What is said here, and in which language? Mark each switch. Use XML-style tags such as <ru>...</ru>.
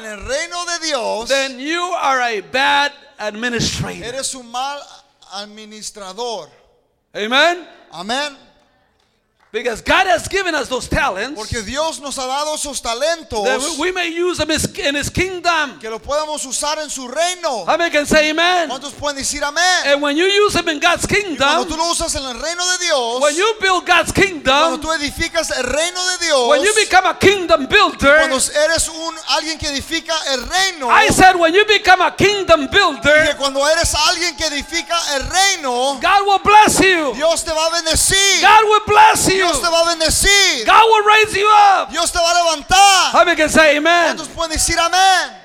<es>en el reino de Dios,</es> <en>then you are a bad administrator.</en> <es>Eres un mal administrador. Amen.</es> <en>Amen. Because God has given us those talents.</en> <es>Porque Dios nos ha dado esos talentos.</es> <en>That we may use them in his kingdom.</en> <es>Que lo podamos usar en su reino.</es> <en>How many can say amen?</en> <es>¿Cuántos pueden decir amén?</es> <en>And when you use them in God's kingdom.</en> <es>Y cuando tú lo usas en el reino de Dios.</es> <en>When you build God's kingdom.</en> <es>Cuando tú edificas el reino de Dios.</es> <en>When you become a kingdom builder.</en> <es>Cuando eres alguien que edifica el reino.</es> <en>I said when you become a kingdom builder.</en> <es>Que cuando eres alguien que edifica el reino.</es> <en>God will bless you.</en> <es>Dios te va a bendecir.</es> <en>God will bless you.</en> <es>Dios te va a bendecir.</es> <en>God will raise you up.</en> <es>Dios te va a levantar.</es> <en>How many can say amen?</en> <es>¿Cuántos pueden decir amén?</es>